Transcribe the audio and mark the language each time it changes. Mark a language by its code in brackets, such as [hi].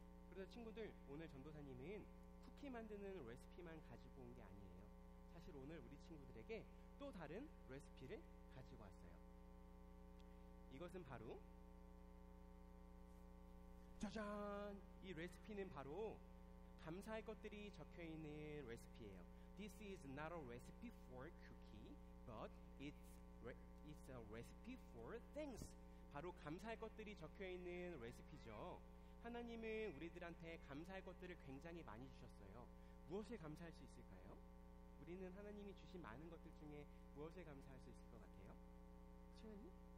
[ko] 그래서 친구들, 오늘 전도사님은 쿠키 만드는 레시피만 가지고 온 게 아니에요. 사실 오늘 우리 친구들에게 또 다른 레시피를 가지고 왔어요. 이것은 바로 짜잔! 이 레시피는 바로 감사할 것들이 적혀있는 레시피예요. [en] This is not a recipe for cookie, but it's a recipe for thanks. [ko] 바로 감사할 것들이 적혀있는 레시피죠. 하나님은 우리들한테 감사할 것들을 굉장히 많이 주셨어요. 무엇에 감사할 수 있을까요? 우리는 하나님이 주신 많은 것들 중에 무엇에 감사할 수 있을 것 같아요? 시원님?